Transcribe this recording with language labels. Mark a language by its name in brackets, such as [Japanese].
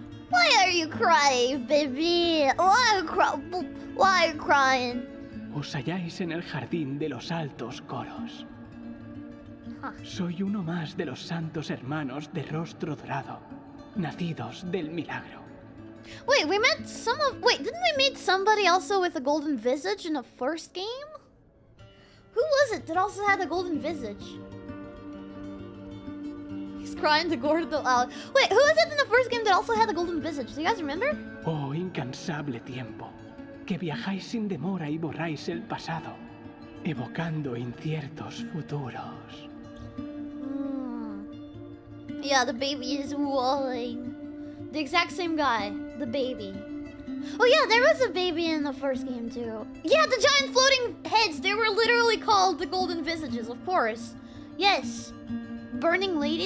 [English] Why are you crying, baby? Why are you crying? [Spanish] Os halláis en el jardín de los altos coros. Soy uno más de los santos hermanos de rostro dorado, nacidos del milagro. [English] Wait, we met some of... Wait, didn't we meet somebody also with a golden visage in the first game? Who was it that also had a golden visage? Crying to Gordo. Wait, who was it in the first game that also had a golden visage? Do you guys remember? [Spanish] Oh, incansable tiempo. Que viajáis sin demora y borráis el pasado, evocando inciertos futuros. Mm. [English] Yeah, the baby is walling. The exact same guy. The baby. Oh yeah, there was a baby in the first game too. Yeah, the giant floating heads. They were literally called the golden visages, of course. Yes. Burning lady?